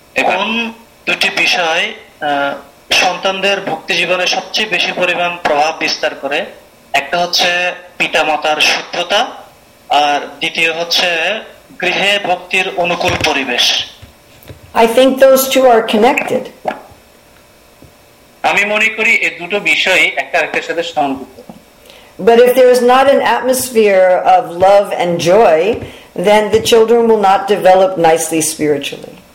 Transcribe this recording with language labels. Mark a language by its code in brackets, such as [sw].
[bn] কোন দুটি বিষয় সন্তানদের ভক্তি জীবনে সবচেয়ে বেশি পরিমাণ প্রভাব বিস্তার করে? একটা হচ্ছে পিতা মাতার শুদ্ধতা, আর দ্বিতীয় হচ্ছে গৃহে ভক্তির অনুকূল পরিবেশ। [en] I think those two are connected. [bn] আমি মনে করি এই দুটো বিষয় একটা আরেকটার সাথে সংযুক্ত। [en] But if there is not an atmosphere of love and joy, then the children will not develop nicely spiritually.